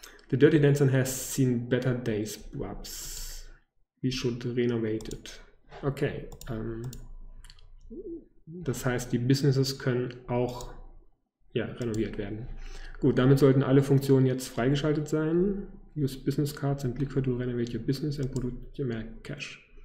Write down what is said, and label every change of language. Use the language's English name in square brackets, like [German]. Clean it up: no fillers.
[English] The Dirty Dancer has seen better days, Bubs. We should renovate it. Okay. [German] Das heißt, die Businesses können auch ja, renoviert werden. Gut, damit sollten alle Funktionen jetzt freigeschaltet sein. [English] Use Business Cards and Liquor to renovate your business and produce your cash.